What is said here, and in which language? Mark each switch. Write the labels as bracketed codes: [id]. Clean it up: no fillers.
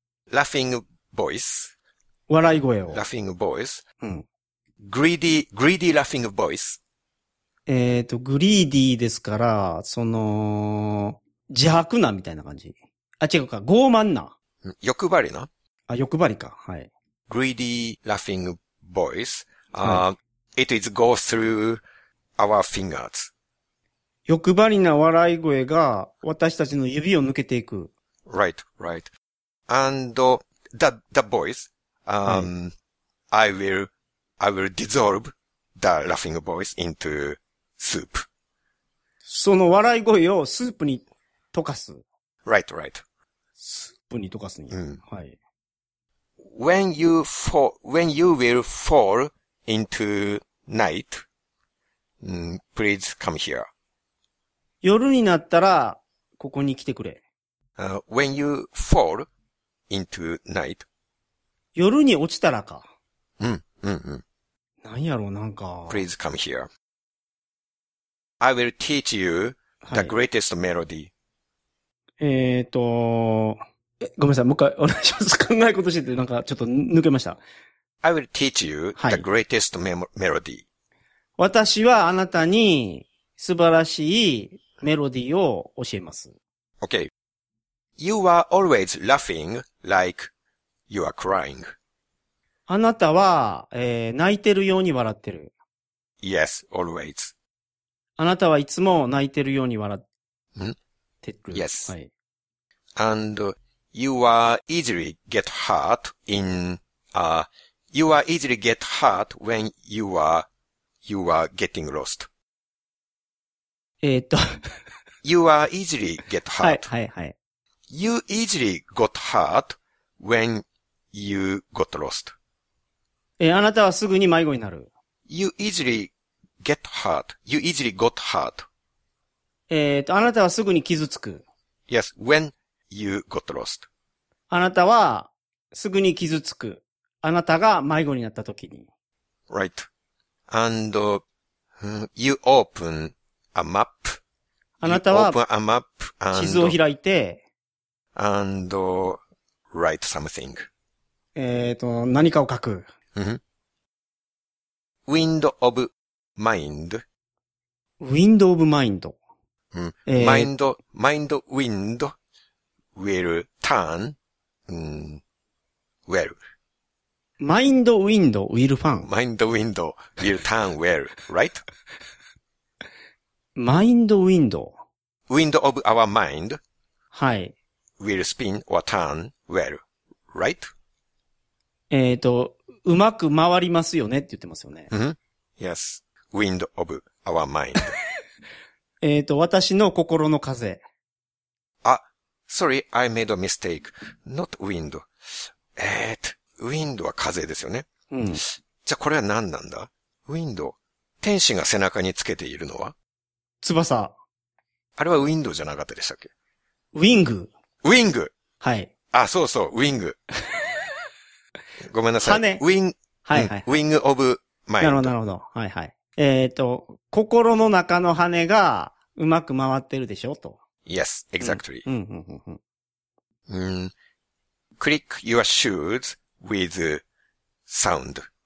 [en] laughing voice. [ja] 笑い声を。 [en] laughing voice. [ja] うん。 [en] greedy laughing voice. [ja] greedy ですから、邪悪なみたいな感じ。あ、違うか、傲慢な。欲張りな。あ、欲張りか、はい。 [en] greedy laughing voice.、はい、it is go through our fingers. [ja] 欲張りな笑い声が私たちの指を抜けていく。 [en] right, right. and the voice, はい、I will dissolve the laughing voice into soup. [ja] その笑い声をスープに溶かす。 [en] Right, right. [ja] スープに溶かすに。うん、はい。 [en] When you will fall into night, please come here. [ja] 夜になったら、ここに来てくれ。 [en] When you fall into night. [ja] 夜に落ちたらか。うん、うん、うん。なんやろう、なんか。 [en] Please come here. I will teach you the greatest melody.、 [ja] はい、ごめんなさい、もう一回お願いします。考え事してて、なんかちょっと抜けました。 [en] I will teach you the greatest melody.、 [ja] はい、私はあなたに素晴らしいメロディーを教えます。 [en] Okay. You are always laughing like you are crying. [ja] あなたは、泣いてるように笑ってる。 [en] Yes, always. [ja] あなたはいつも泣いてるように笑ってる。 [en] Yes.、 [ja] はい、 [en] And you are easily get hurt in, you are easily get hurt when you are getting lost. you are easily get hurt. [ja] はい、はい、はい。 [en] You easily got hurt when you got lost. [ja] あなたはすぐに迷子になる。 [en] You easily get hurt. You easily got hurt. [ja] あなたはすぐに傷つく。 [en] Yes, when you got lost. [ja] あなたはすぐに傷つく。あなたが迷子になった時に。 [en] Right. And you open a map. [ja] あなたは [en] open a map and [ja] 地図を開いて [en] and write something. [ja] 何かを書く。 [en] Mm-hmm. Wind of mind. Wind of mind. Mind wind will turn, well. Mind wind will turn. Mind wind will turn well, right? Mind wind. Wind of our mind. [ja] はい。 [en] Will spin or turn well, right? [ja] うまく回りますよねって言ってますよね。 [en] Mm-hmm. Yes. Wind of our mind. [ja] 私の心の風。 [en] あ、sorry, I made a mistake. Not wind. [ja] Wind は風ですよね。うん。じゃあこれは何なんだ ?Wind。天使が背中につけているのは翼。あれは wind じゃなかったでしたっけ [en] ?wing。 wing! [ja] はい。あ、そうそう、wing。ごめんなさい。羽。 [en] wing。 [ja] はいはい。 [en] wing of mind。 [ja] なるほど、なるほど。はいはい。心の中の羽がうまく回ってるでしょと。 [en] Yes, exactly. [ja] うんうんうんうん。 [en] Click your shoes with sound.